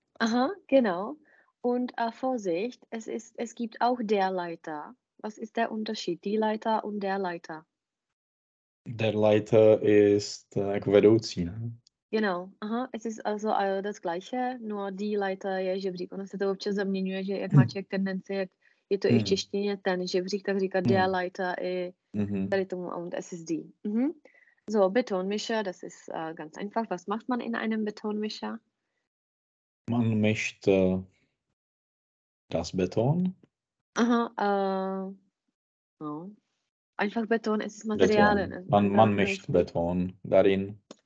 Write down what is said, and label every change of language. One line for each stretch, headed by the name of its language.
German: Aha, genau. Und Vorsicht, es gibt auch der Leiter. Was ist der Unterschied? Die Leiter und der Leiter. Der Leiter ist, ne? Genau, aha, es ist also das Gleiche, nur die Leiter
Czech: je žebřík. Ono se to občas zaměňuje, že jak má člověk tendenci, jak je to i v češtině ten žebřík, tak říká
German: der Leiter
Czech: i tady tomu
German: und es ist die. So, Betonmischer, das ist ganz einfach. Was macht man in einem Betonmischer? Man mischt das Beton. Aha, no. Einfach Beton, es ist Materialien, Beton. also Man mischt Beton darin.